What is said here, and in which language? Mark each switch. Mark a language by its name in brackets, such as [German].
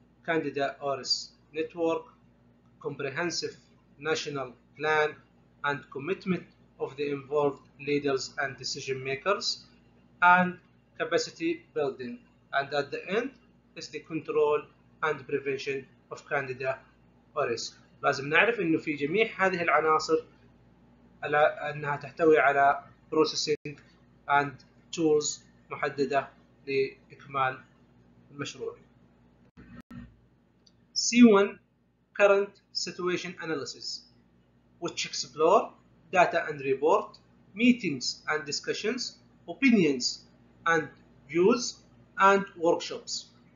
[English] Candida auris network, comprehensive national plan, and commitment of the involved leaders and decision makers, and capacity building. And at the end is the control and prevention of Candida auris. [Arabic] لازم نعرف انه في جميع هذه العناصر على انها تحتوي على [English] processing and tools [Arabic] محددة لإكمال المشروع. [English] C1 current situation analysis, which explore data and report, meetings and discussions, opinions and views, and workshops.